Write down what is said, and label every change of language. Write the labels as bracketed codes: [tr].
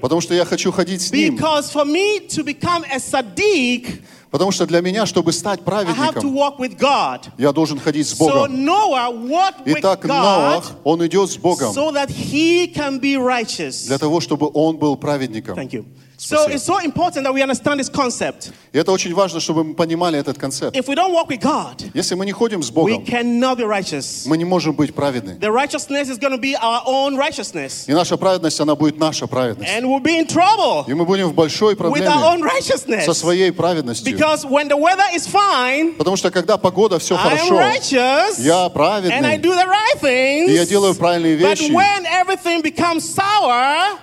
[ru] Потому что я хочу ходить с ним. [en] Because for me to become a Sadiq, [ru] потому что для меня, чтобы стать праведником, я должен ходить с Богом. [en] So Noah walked with God, [ru] итак, Ноах, он идет с Богом, [en] so that he can be righteous. [ru] Для того, чтобы он был праведником. [en] Thank you. So it's so important that we understand this concept. [ru] Это очень важно, чтобы мы понимали этот концепт. [en] If we don't walk with God, [ru] если мы не ходим с Богом, [en] we cannot be righteous. [ru] Мы не можем быть праведны. [en] The righteousness is going to be our own righteousness. [ru] И наша праведность, она будет наша праведность. [en] And we'll be in trouble. [ru] И мы будем в большой проблеме. [en] With our own righteousness. [ru] Со своей праведностью. [en] Because when the weather is fine, [ru] потому что когда погода все хорошо, [en] I am righteous, [ru] я праведный, [en] and I do the right things, [ru] и я делаю правильные вещи. [en] But when everything becomes sour,